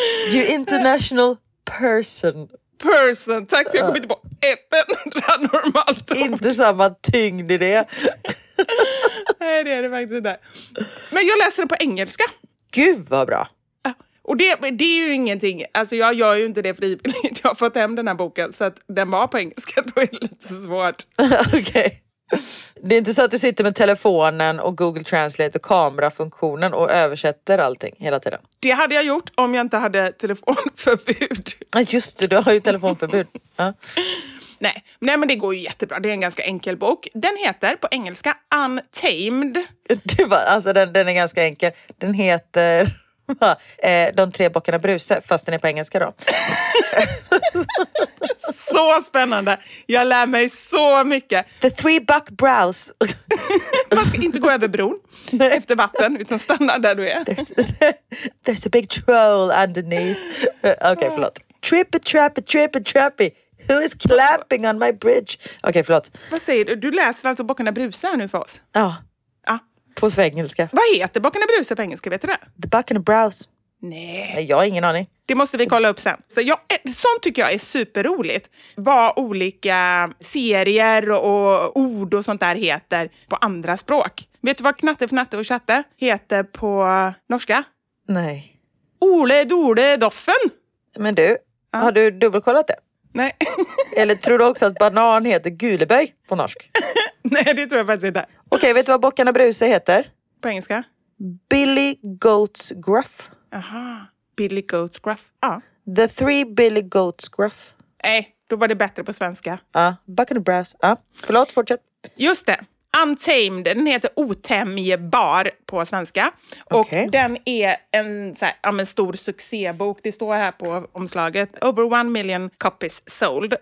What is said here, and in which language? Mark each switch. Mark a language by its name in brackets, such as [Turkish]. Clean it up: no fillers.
[English] You're international person. [Swedish] Person, tack för jag kom inte på ett enda normalt ord. Inte samma tyngd i det. Nej, det är det faktiskt där. Men jag läser den på engelska. Gud vad bra. Och det är ju ingenting, alltså jag gör ju inte det frivilligt, jag har fått hem den här boken så att den var på engelska, då är det lite svårt. Okej. Det är inte så att du sitter med telefonen och Google Translate och kamerafunktionen och översätter allting hela tiden? Det hade jag gjort om jag inte hade telefonförbud. Ja just det, du har ju telefonförbud. Ja. Nej, men det går ju jättebra. Det är en ganska enkel bok. Den heter på engelska Untamed. Du bara, alltså den är ganska enkel. Den heter De tre bockarna Bruse, fast den är på engelska då. Så spännande. Jag lär mig så mycket. [English] The three buck brows. [Swedish] Man ska inte gå över bron efter vatten, utan stanna där du är. [English] There's a big troll underneath. [Swedish] Okej, förlåt. [English] Trippy, trappy, trippy, trappy. Who is clapping on my bridge? [Swedish] Okej, förlåt. Vad säger du? Du läser alltså Bockarna Bruse nu för oss? Ja. På svengelska. Vad heter Bockarna Bruse på engelska, vet du det? The Bockarna Bruse. Nej. Jag har ingen aning. Det måste vi kolla upp sen. Så jag, sånt tycker jag är superroligt. Vad olika serier och ord och sånt där heter på andra språk. Vet du vad Knatte, Fnatte och Chatte heter på norska? Nej. Ole, dole, doffen. Men du, har du dubbelkollat det? Nej. Eller tror du också att banan heter guleböj på norsk? Nej, det tror jag faktiskt inte. Okej, vet du vad Bockarna Bruse heter? På engelska? [English] Billy Goats Gruff. Aha, Billy Goats Gruff. Ah. The Three Billy Goats Gruff. [Swedish] Nej, då var det bättre på svenska. Ja, Bockarna Bruse. Ah. Förlåt, fortsätt. Just det. Untamed, den heter Otämjebar på svenska. Och den är en så här, ja, stor succébok. Det står här på omslaget. [English] Over 1 million copies sold.